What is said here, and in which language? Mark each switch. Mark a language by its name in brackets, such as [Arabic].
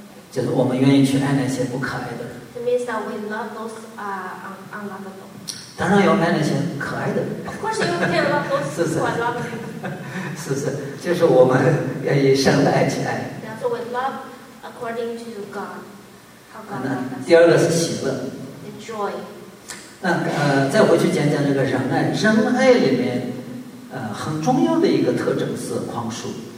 [Chinese] 就是我们愿意去爱那些不可爱的人。 [English] It means that we love those unlovable. [Chinese] 当然要爱那些可爱的人。 [English] Of course, you can love those unlovable. [Chinese] 是是，就是我们愿意上帝爱去爱。 [English] Yeah, so we love according to God. How God loves. [Chinese] 第二个是喜乐。 [English] The joy. [Chinese] 那再回去讲讲这个仁爱。仁爱里面，很重要的一个特征是宽恕。